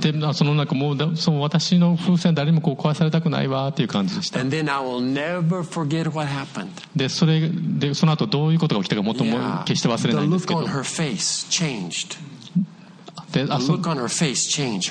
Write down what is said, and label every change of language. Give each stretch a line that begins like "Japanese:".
Japanese: で、その中もう、その私の風船誰もこう壊されたくないわっていう感じでした。
English: And then I will never forget what happened.
Japanese: で、それで、その後どういうことが起きたかもっとも決して忘れないんですけど。
English: The look on her face changed. The look on her face changed.